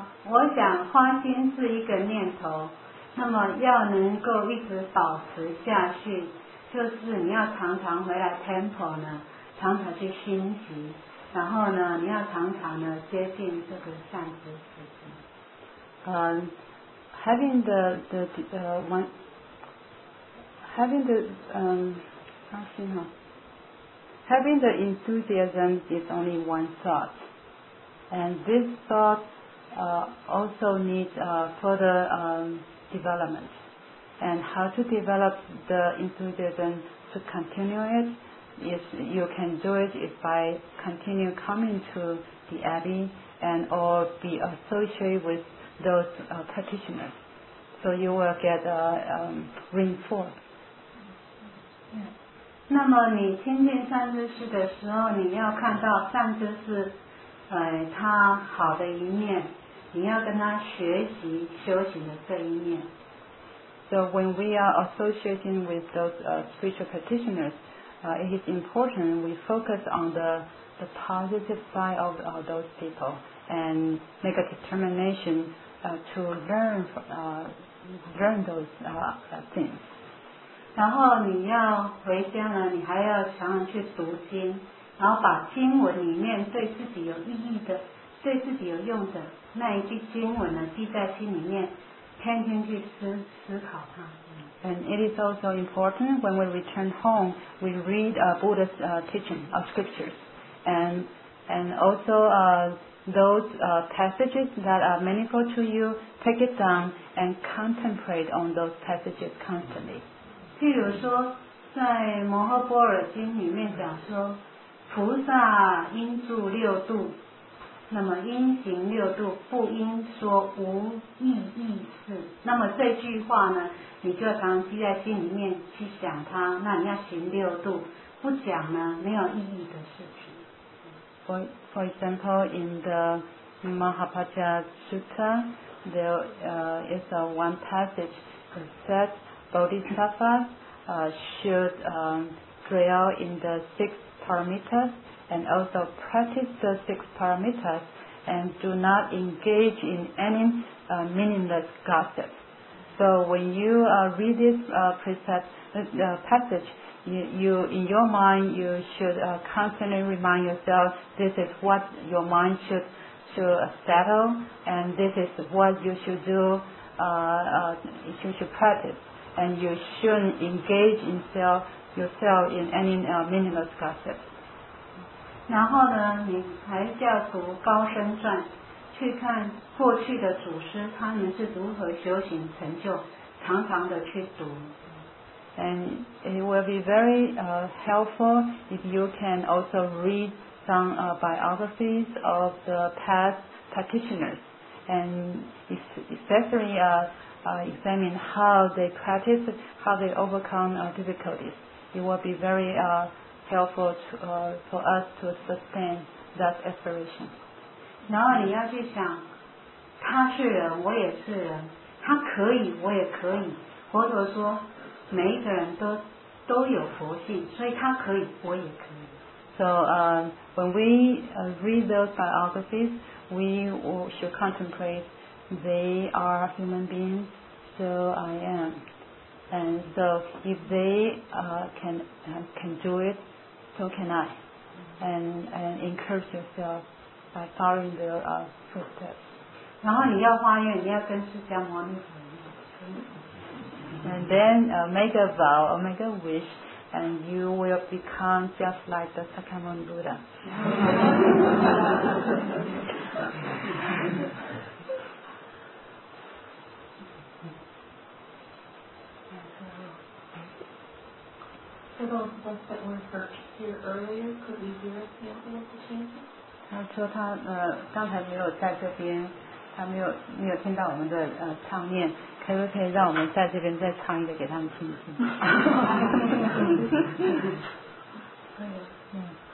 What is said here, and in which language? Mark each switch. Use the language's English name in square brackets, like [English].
[Chinese] 我想发心是一个念头，那么要能够一直保持下去，就是你要常常回来 temple 呢，常常去熏习。然后呢，你要常常呢接近这个善知识。 [English] Having the enthusiasm is only one thought, and this thought also needs further development. And how to develop the enthusiasm to continue it? Yes, you can do it if by continue coming to the abbey and or be associated with those practitioners. So you will get reinforced. [Chinese] 那么你亲近善知识的时候，你要看到善知识，他好的一面，你要跟他学习修行的这一面。 [English] So when we are associating with those spiritual practitioners,it is important we focus on the positive side of those people and make a determination to learn those things. [Chinese] 然后你要回家呢，你还要常常去读经，然后把经文里面对自己有意义的、对自己有用的那一句经文呢，记在心里面，天天去思考它。 [English] And it is also important when we return home, we read Buddha's teaching of scriptures. And also those passages that are meaningful to you, take it down and contemplate on those passages constantly. [Chinese] 譬如说在摩诃般若经里面讲说菩萨应住六度，那么因行六度不应说无意义事，那么这句话呢你就常记在心里面去想它，那你要行六度，不讲呢没有意义的事情。 [English] For example, in the Mahapajja Sutta, there is a one passage that says bodhisattvas should dwell in the six paramitas and also practice the six paramitas and do not engage in any meaningless gossip. So when you read this passage, you in your mind, you should constantly remind yourself this is what your mind should settle, and this is what you should do, you should practice, and you shouldn't engage in yourself in any meaningless gossip. [Chinese] 然后呢，你还要读高僧传。去看过去的祖师他们是如何修行成就，常常的去读。 [English] And it will be very helpful if you can also read some biographies of the past practitioners and especially examine how they practice, how they overcome difficulties. It will be very helpful for us to sustain that aspiration. [Chinese] 然后你要去想，他是人，我也是人，他可以，我也可以。佛陀说，每一个人都有佛性，所以他可以，我也可以。 [English] So, when we read those biographies, we should contemplate they are human beings, so I am. And so, if they can do it, so can I. And encourage yourself. By following the footsteps. [Chinese] 然后你要发愿，你要跟释迦牟尼佛。 [English] And then make a vow or make a wish and you will become just like the Sakyamuni Buddha. So those that were hurt here earlier, could we hear the chanting? [Chinese] 他说他刚才没有在这边，他没有听到我们的唱念，可不可以让我们在这边再唱一个给他们听听？